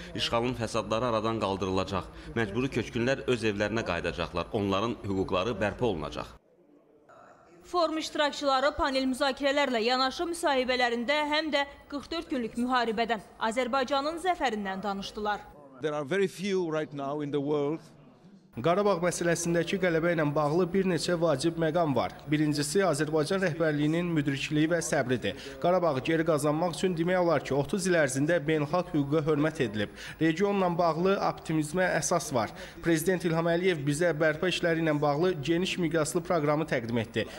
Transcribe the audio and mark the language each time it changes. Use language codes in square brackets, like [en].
[az] İşğalın fəsadları aradan qaldırılacaq. Məcburi köçkünlər öz evlərinə qayıdacaqlar. Onların hüquqları bərpa olunacaq. Forum iştirakçıları panel müzakirələrlə yanaşı müsahibələrində həm də 44 günlük müharibədən, Azərbaycanın zəfərindən danışdılar. [en] There are very few right now in the world. [az] Qarabağ məsələsindəki qələbə ilə bağlı bir neçə vacib məqam var. Birincisi, Azərbaycan rəhbərliyinin müdrikliyi və səbridir. Qarabağı geri qazanmaq üçün demək olar ki, 30 il ərzində beynəlxalq hüquqa hörmət edilib. Regionla bağlı optimizmə əsas var. Prezident İlham Əliyev bizə bərpa işləri ilə bağlı geniş miqyaslı proqramı təqdim etdi.